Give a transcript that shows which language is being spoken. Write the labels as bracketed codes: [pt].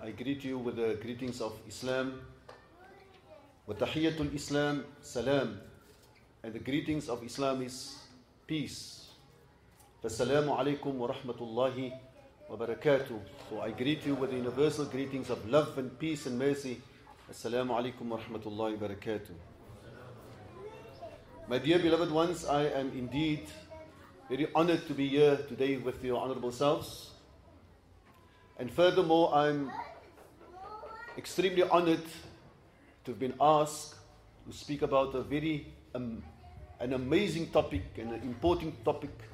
[en] I greet you with the greetings of Islam. [ar] وتحية الإسلام سلام. [en] And the greetings of Islam is peace. [ar] فالسلام عليكم ورحمة الله وبركاته. [en] So I greet you with the universal greetings of love and peace and mercy. [ar] السلام عليكم ورحمة الله وبركاته. [en] My dear beloved ones, I am indeed very honored to be here today with your honorable selves. And furthermore, I'm extremely honored to have been asked to speak about a very an amazing topic and an important topic.